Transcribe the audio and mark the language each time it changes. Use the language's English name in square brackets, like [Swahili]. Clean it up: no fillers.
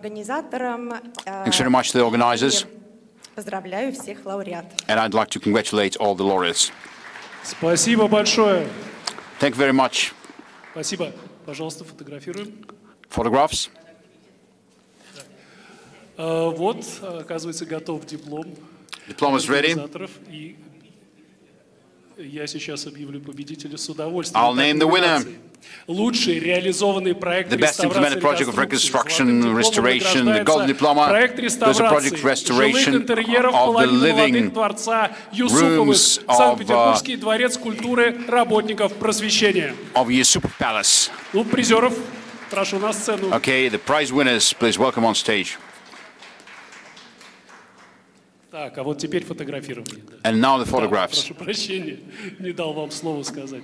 [English] Thanks very much to the organizers, and I'd like to congratulate all the laureates. [Russian] Спасибо большое. [English] Thank you very much. [Russian] Спасибо. Пожалуйста, фотографируем. [English] Photographs. [Russian] Вот, оказывается, готов диплом. [English] Diploma is ready. [Russian] И я сейчас объявлю победителя с удовольствием. [English] I'll name the winner. [Russian] Лучший реализованный проект. [English] The best implemented project of reconstruction, restoration, the golden diploma. [Russian] Проект реставрации. [English] Project restoration of the living rooms of [Russian] Санкт-Петербургский дворец культуры работников просвещения. [English] Of Юсупов Palace. [Russian] Ну, призеров прошу на сцену. [English] Okay, the prize winners, please welcome on stage. [Russian] Так, а вот теперь фотографировали. [English] And now the photographs. [Russian] Да, прошу прощения, не дал вам слово сказать.